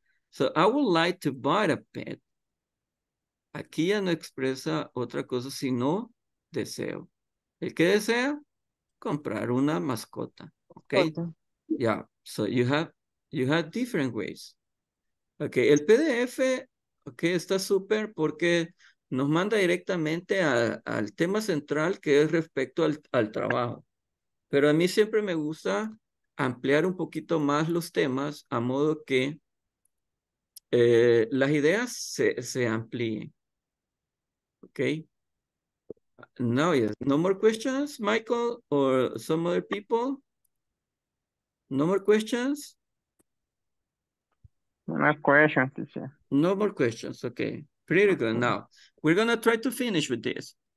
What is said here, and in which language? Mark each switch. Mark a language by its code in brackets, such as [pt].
[en] So, I would like to buy a pet. [es] Aquí ya no expresa otra cosa, sino deseo. ¿El que desea? Comprar una mascota. Okay. Mascota. Yeah. [en] So you have different ways. Okay. [es] El PDF, okay, está súper porque nos manda directamente al tema central que es respecto al trabajo. Pero a mí siempre me gusta ampliar un poquito más los temas a modo que las ideas se amplíen. [en] Okay. No, yes. No more questions, Michael, or some other people? No more questions? No more questions, teacher. No more questions, okay. Pretty good. Now, we're going to try to finish with this.